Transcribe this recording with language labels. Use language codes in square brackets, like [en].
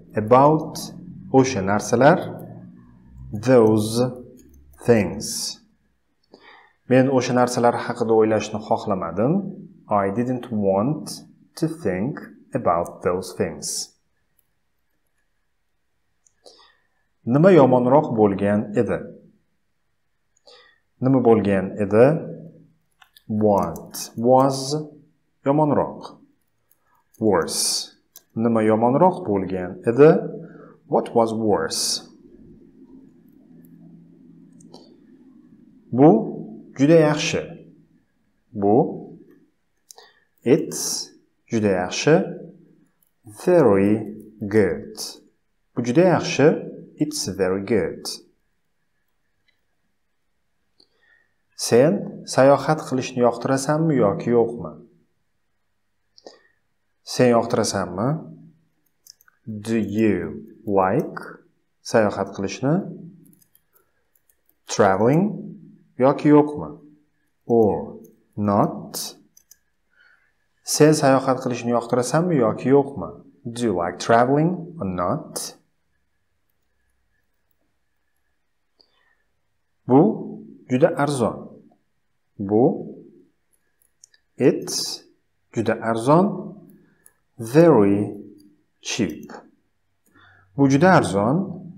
[en] About [uz] o'sha narsalar. [en] Those things. [uz] Men o'sha narsalar haqida o'ylashni xohlamadim. [en] I didn't want to think about those things. [uz] Nima yomonroq bo'lgan edi? Nima bo'lgan edi? [en] What was [uz] yomonroq? [en] Worse. [uz] Nima yomonroq bo'lgan edi? [en] What was worse? [uz] Bu juda yaxshi. Bu [en] it's [uz] juda yaxshi. [en] Very good. [uz] Bu juda yaxshi. [en] It's very good. [uz] Sen sayohat qilishni yoqtirasanmi yoki yo'qmi? Sen yoqtirasanmi? [en] Do you like [uz] sayohat qilishni? [en] Traveling [uz] yoki yo'qmi? [en] Or not? [uz] Sen sayohat qilishni yoqtirasanmi yoki yo'qmi? [en] Do you like traveling or not? [uz] Bu juda arzon. Bu [en] it's [uz] juda arzon. [en] Very cheap. [uz] Bu juda arzon.